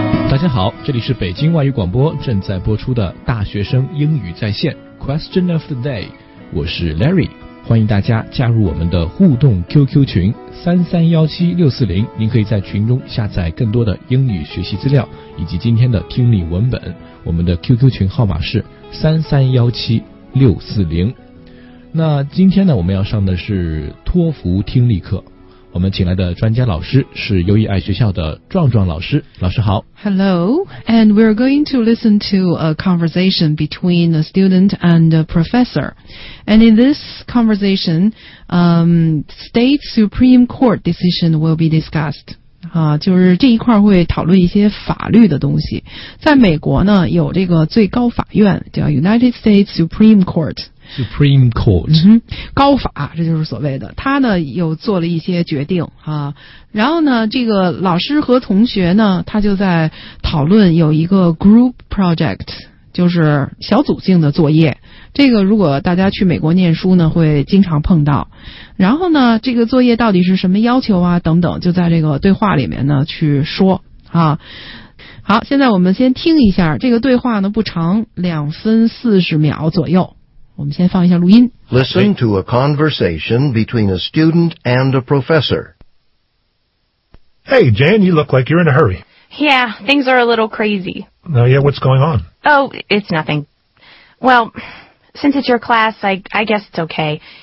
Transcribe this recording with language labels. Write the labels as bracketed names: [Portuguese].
[Chinese] 大家好，这里是北京外语广播正在播出的大学生英语在线 Question of the day， 我是 Larry，欢迎大家加入我们的互动 QQ 群3317640，您可以在群中下载更多的英语学习资料以及今天的听力文本。我们的 QQ 群号码是3317640。那今天呢，我们要上的是托福听力课，我们请来的专家老师是优益爱学校的壮壮老师。老师好。 [English] Hello, and we're going to listen to a conversation between a student and a professor. And in this conversation, state Supreme Court decision will be discussed. [Chinese] 就是这一块会讨论一些法律的东西。在美国呢，有这个最高法院，叫 United States Supreme Court。 [English] Supreme Court、 [Chinese] 高法，这就是所谓的，他呢又做了一些决定啊。然后呢，这个老师和同学呢，他就在讨论有一个 group project， 就是小组性的作业。这个如果大家去美国念书呢，会经常碰到。然后呢，这个作业到底是什么要求啊？等等，就在这个对话里面呢去说啊。好，现在我们先听一下这个对话呢，不长，2分40秒左右。我们先放一下录音。 [English] Listen to a conversation between a student and a professor. Hey, Jan, you look like you're in a hurry. Yeah, things are a little crazy. Oh, yeah, what's going on? Oh, it's nothing. Well, since it's your class, I guess it's okay.